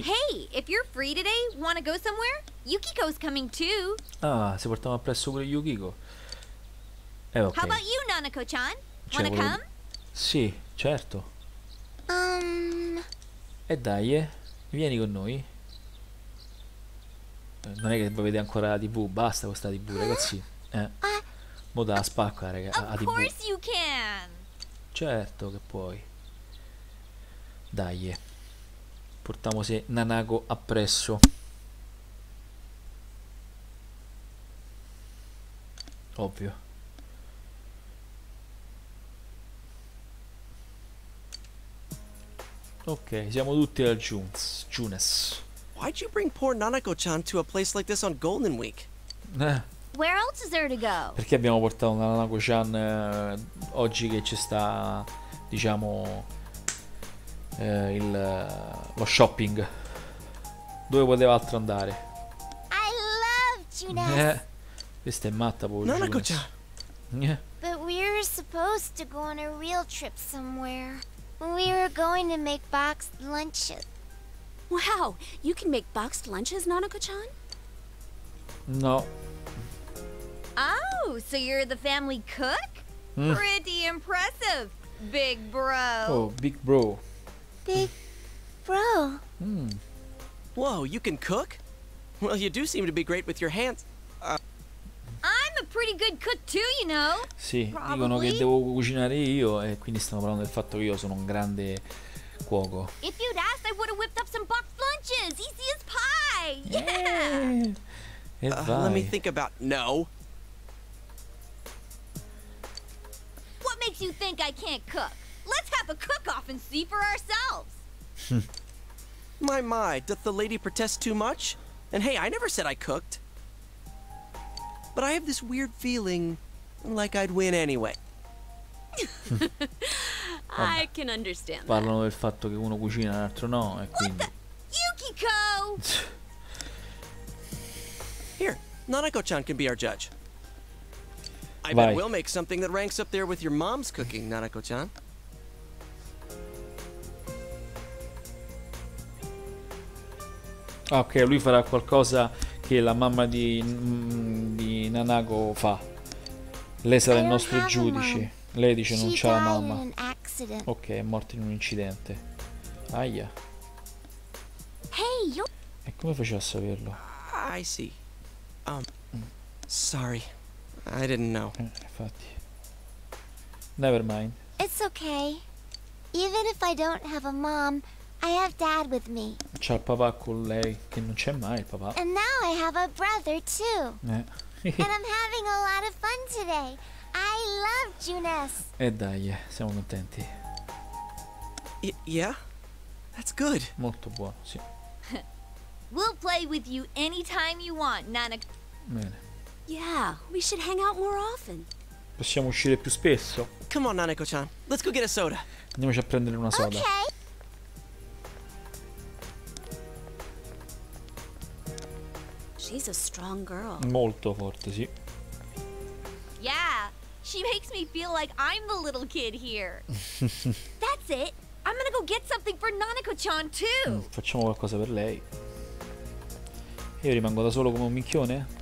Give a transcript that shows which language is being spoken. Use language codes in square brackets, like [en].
[en] Hey, if you're free today, wanna go somewhere? Yukiko's coming too. [it] Ah, si portava appresso pure Yukiko. Ok. [en] How about you, Nanako-chan? Cioè, wanna come? [it] Sì, certo. E dai, vieni con noi. Non è che voi vedete ancora la TV, basta questa TV, ragazzi. Mo da spacca, ragazzi. [en] Of course you can. [it] Certo che puoi. Dai. Portiamo se Nanako appresso. Ovvio. Ok, siamo tutti al Junes. [en] Why'd you bring poor Nanako-chan to a place like this on Golden Week? Where else is there to go? [it] Perché abbiamo portato Nanako-chan oggi che ci sta, diciamo, lo shopping. Dove poteva altro andare? [en] I love Junes. [it] Questa è matta pure. [en] Nanako-chan. But we're supposed to go on a real trip somewhere. We were going to make boxed lunches. Wow, you can make boxed lunches, Nanako-chan? No. Oh, so you're the family cook? Pretty impressive, big bro. Oh, big bro. Big bro. Whoa, you can cook? Well, you do seem to be great with your hands. I'm a pretty good cook too, you know. [it] Sì, dicono che devo cucinare io e quindi stanno parlando del fatto che io sono un grande cuoco. [en] If you'd asked, I would have whipped up some boxed lunches, easy as pie. Yeah. [it] E vai. [en] Let me think about. No. What makes you think I can't cook? Let's have a cook-off and see for ourselves. My, doth the lady protest too much? And hey, I never said I cooked. But I have this weird feeling like I'd win anyway. I can understand. [it] Parlano del fatto che uno cucina e l'altro no, e quindi. [en] Yukiko! Here, Nanako-chan can be our judge. I bet we'll make something that ranks up there with your mom's cooking, Nanako-chan. [it] Ok, lui farà qualcosa che la mamma di Nanako fa. Lei sarà il nostro giudice. Lei dice non c'ha la mamma. Ok, è morta in un incidente. Aia. E come faceva a saperlo? [en] I see. Sorry. I didn't know. [it] Infatti. [en] Never mind. It's okay. Even if I don't have a mom, I have dad with me. [it] C'ha il papà con lei, che non c'è mai il papà. [en] And now I have a brother too. And I'm having a lot of fun today. I love Junes. [it] E dai, siamo contenti. [en] Yeah? That's good. [it] Molto buono, sì. [en] We'll play with you anytime you want, Nanako. [it] Bene. [en] Yeah, we should hang out more often. [it] Possiamo uscire più spesso. [en] Come on, Nanako-chan. Let's go get a soda. [it] Andiamoci a prendere una soda. [en] Okay. She's a strong girl. [it] Molto forte, sì. [en] Yeah, she makes me feel like I'm the little kid here. That's it. I'm gonna go get something for Nanako-chan too. [it] Facciamo qualcosa per lei. Io rimango da solo come un minchione?